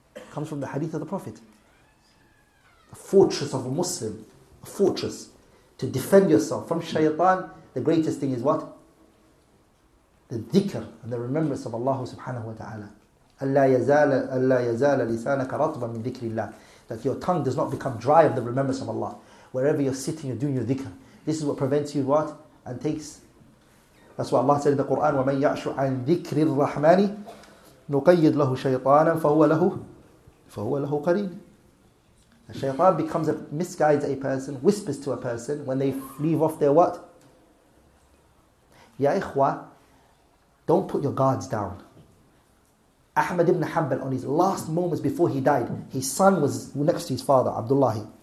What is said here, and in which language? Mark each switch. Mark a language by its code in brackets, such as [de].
[en] Comes from the hadith of the Prophet. The fortress of a Muslim, a fortress to defend yourself from shaytan, the greatest thing is what? The dhikr and the remembrance of Allah subhanahu wa ta'ala. [ar] Allah yazala lisanaka ratba min dhikrillah. [en] That your tongue does not become dry of the remembrance of Allah. Wherever you're sitting, you're doing your dhikr. This is what prevents you what? And takes. [ar] That's why Allah said in the Quran, وَمَنْ يَعْشُ عَنْ ذِكْرِ الرَّحْمَنِ نُقَيِّدْ لَهُ شَيْطَانًا فَهُوَ لَهُ قَرِينٌ. [en] The shaytan becomes misguides a person, whispers to a person when they leave off their what? Ya ikhwa, don't put your guards down. Ahmad ibn Hanbal, on his last moments before he died, his son was next to his father, Abdullah.